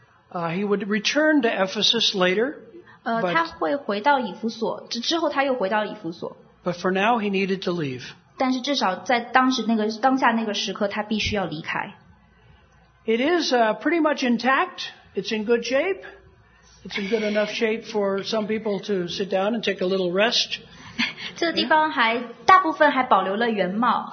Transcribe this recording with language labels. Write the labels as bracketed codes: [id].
[en] He would return to Ephesus later. [zh] 他会回到以弗所，之后他又回到以弗所。 [en] But for now, he needed to leave. [zh] 但是至少在当下那个时刻，他必须要离开。 [en] It is pretty much intact. it's in good shape. It's in good enough shape for some people to sit down and take a little rest. [zh] 这个地方还大部分还保留了原貌。